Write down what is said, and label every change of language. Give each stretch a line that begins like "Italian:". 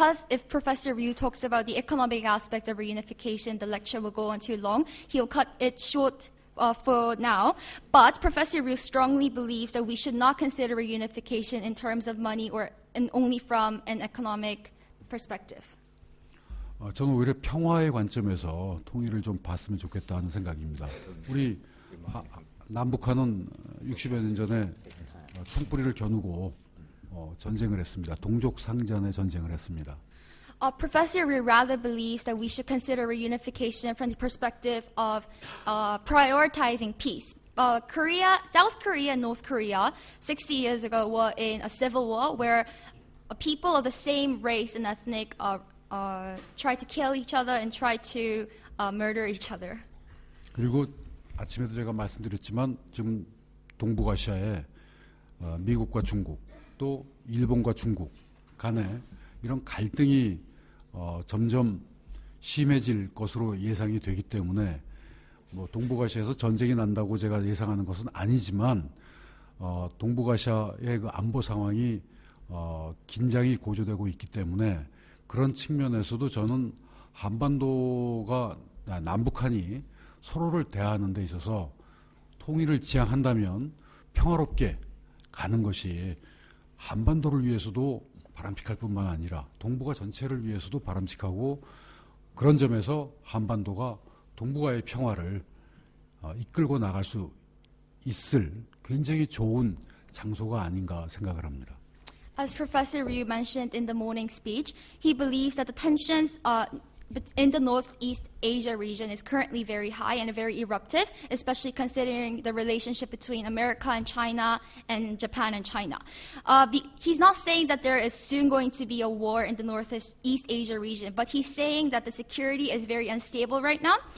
English: If Professor Ryu talks about the economic aspect of reunification, the lecture will go on too long. He'll cut it short for now. But Professor Ryu strongly believes that we should not consider reunification in terms of money or in only from an economic perspective.
Korean: 저는 오히려 평화의 관점에서 통일을 좀 봤으면 좋겠다는 생각입니다. 우리 남북한은 60여 년 전에 총뿌리를 겨누고 전쟁을 했습니다. 동족 상잔의 전쟁을 했습니다.
English: Professor Ryu rather believes that we should consider reunification from the perspective of prioritizing peace. Korea, South Korea and North Korea 60 years ago were in a civil war where people of the same race and ethnic tried to kill each other and tried to murder each other.
Korean: 그리고 아침에도 제가 말씀드렸지만 지금 동북아시아에 미국과 중국 또 일본과 중국 간에 이런 갈등이 점점 심해질 것으로 예상이 되기 때문에 뭐 동북아시아에서 전쟁이 난다고 제가 예상하는 것은 아니지만 동북아시아의 그 안보 상황이 긴장이 고조되고 있기 때문에 그런 측면에서도 저는 한반도가 남북한이 서로를 대하는 데 있어서 통일을 지향한다면 평화롭게 가는 것이 한반도를 위해서도 바람직할 뿐만 아니라 동북아 전체를 위해서도 바람직하고 그런 점에서 한반도가 동북아의 평화를 이끌고 나갈 수 있을 굉장히 좋은 장소가 아닌가 생각을 합니다.
English: As Professor Ryu mentioned in the morning speech, he believes that the tensions in the Northeast Asia region is currently very high and very eruptive, especially considering the relationship between America and China and Japan and China. He's not saying that there is soon going to be a war in the Northeast Asia region, but he's saying that the security is very unstable right now.